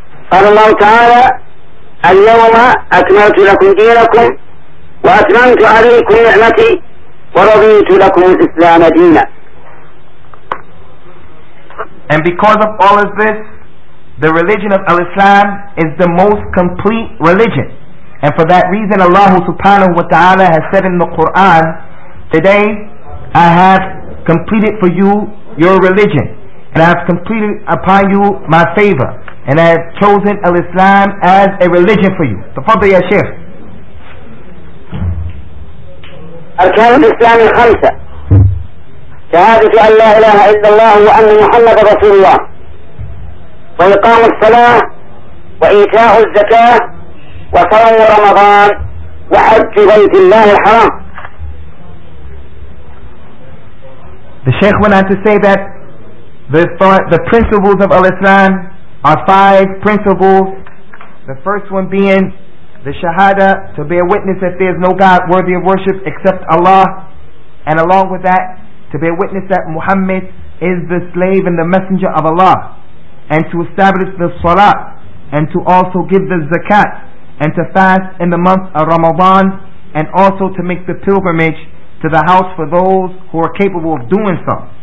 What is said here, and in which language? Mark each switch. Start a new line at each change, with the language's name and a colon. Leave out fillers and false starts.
Arabic: قال الله تعالى: اليوم أكملت لكم دينكم وأتممت عليكم نعمتي ورضيت لكم الإسلام دينا.
English: And because of all of this, the religion of al-Islam is the most complete religion. And for that reason, Allah subhanahu wa ta'ala has said in the Quran, today I have completed for you your religion, and I have completed upon you my favor, and I have chosen al-Islam as a religion for you.
Arabic: Tafadhal ya Shaykh. Arkan al-Islam al-khamsa. Shahadatu an la ilaha illallah wa anna Muhammad Rasulullah. وإقام الصلاة وإيتاء الزكاة وصوم رمضان وحج بيت الله الحرام.
English: The Sheikh went on to say that the principles of al-Islam are five principles. The first one being the Shahada, to bear witness that there is no God worthy of worship except Allah, and along with that, to bear witness that Muhammad is the slave and the messenger of Allah, and to establish the Salah, and to also give the Zakat, and to fast in the month of Ramadan, and also to make the pilgrimage to the house for those who are capable of doing so.